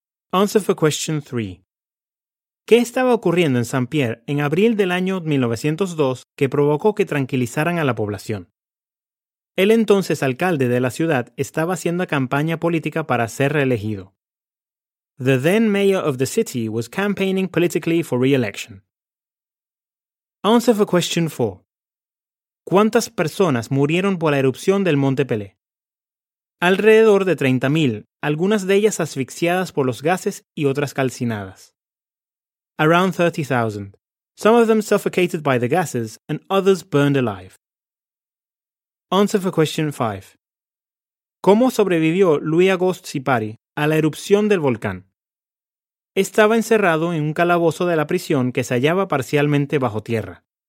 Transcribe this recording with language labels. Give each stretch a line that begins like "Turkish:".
English: Answer for question 3.
Spanish: ¿Qué estaba ocurriendo en Saint-Pierre en abril del año 1902 que provocó que tranquilizaran a la población? El entonces alcalde de la ciudad estaba haciendo campaña política para ser reelegido.
English: The then mayor of the city was campaigning politically for re-election. Answer for question 4.
Spanish: ¿Cuántas personas murieron por la erupción del Monte Pelé? Alrededor de 30,000, algunas de ellas asfixiadas por los gases y otras calcinadas.
English: Around 30,000. Some of them suffocated by the gases and others burned alive. Answer for question 5.
Spanish: ¿Cómo sobrevivió Louis Auguste Sipari a la erupción del volcán? Estaba encerrado en un calabozo de la prisión que se hallaba parcialmente bajo tierra.